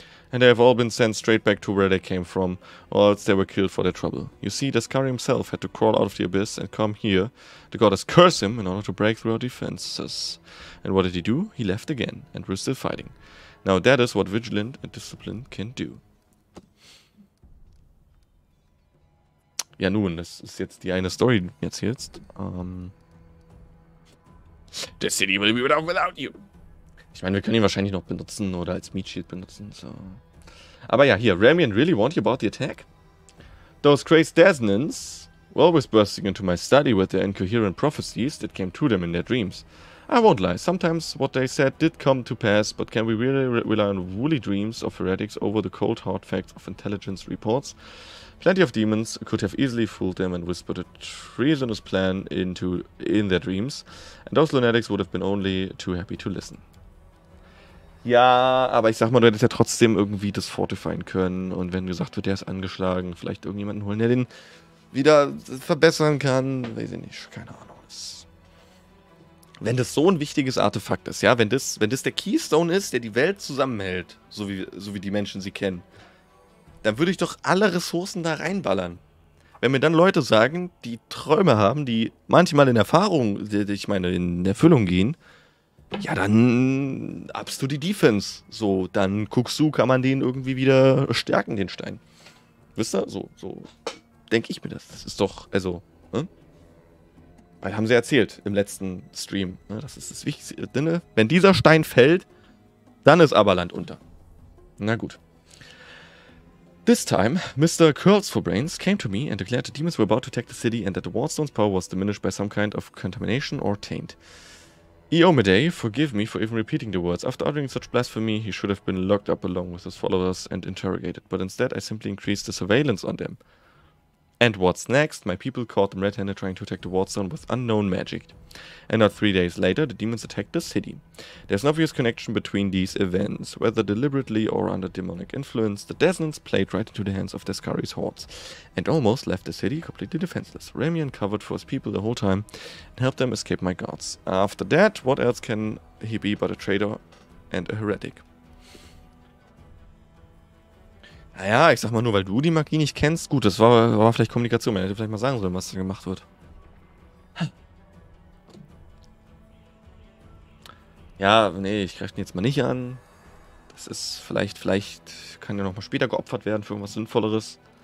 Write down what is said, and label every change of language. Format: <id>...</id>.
<en>And they have all been sent straight back to where they came from, or else they were killed for their trouble. You see, Descari himself had to crawl out of the abyss and come here. The goddess cursed him in order to break through our defenses. And what did he do? He left again, and we're still fighting. Now that is what vigilant and discipline can do.</en> <de>Ja nun, das ist jetzt die eine Story, die du mir erzählst.</de> <en>The city will be without you.</en> <de>Ich meine, wir können ihn wahrscheinlich noch benutzen oder als Meat Shield benutzen, so. Aber ja, hier,</de> <en>Ramian really warned you about the attack? Those crazed Desnans were always bursting into my study with their incoherent prophecies that came to them in their dreams. I won't lie, sometimes what they said did come to pass, but can we really rely on woolly dreams of heretics over the cold hard facts of intelligence reports? Plenty of demons could have easily fooled them and whispered a treasonous plan in their dreams, and those lunatics would have been only too happy to listen.</en> <de>Ja, aber ich sag mal, du hättest ja trotzdem irgendwie das fortifieren können. Und wenn gesagt wird, der ist angeschlagen, vielleicht irgendjemanden holen, der den wieder verbessern kann. Weiß ich nicht, keine Ahnung. Wenn das so ein wichtiges Artefakt ist, ja, wenn das der Keystone ist, der die Welt zusammenhält, so wie die Menschen sie kennen, dann würde ich doch alle Ressourcen da reinballern. Wenn mir dann Leute sagen, die Träume haben, die manchmal in Erfahrung, ich meine, in Erfüllung gehen, ja, dann upst du die Defense. So, dann guckst du, kann man den irgendwie wieder stärken, den Stein. Wisst ihr? So denke ich mir das. Das ist doch, also, ne? Weil haben sie erzählt im letzten Stream. Ne? Das ist das Wichtigste. Ne? Wenn dieser Stein fällt, dann ist aber Land unter. Na gut.</de> <en>This time, Mr. Curls for Brains came to me and declared the demons were about to attack the city and that the Wardstone's power was diminished by some kind of contamination or taint. Eomide, forgive me for even repeating the words. After uttering such blasphemy, he should have been locked up along with his followers and interrogated. But instead, I simply increased the surveillance on them. And what's next? My people caught them red-handed trying to attack the wardstone with unknown magic. And not 3 days later, the demons attacked the city. There's an obvious connection between these events. Whether deliberately or under demonic influence, the Desnans played right into the hands of Descari's hordes and almost left the city completely defenseless. Ramian covered for his people the whole time and helped them escape my guards. After that, what else can he be but a traitor and a heretic?</en> <de>Naja, ich sag mal, nur weil du die Magie nicht kennst, gut, das war vielleicht Kommunikation, man hätte vielleicht mal sagen sollen, was da gemacht wird. Ja, nee, ich greife den jetzt mal nicht an. Das ist vielleicht kann ja nochmal später geopfert werden für irgendwas Sinnvolleres.</de>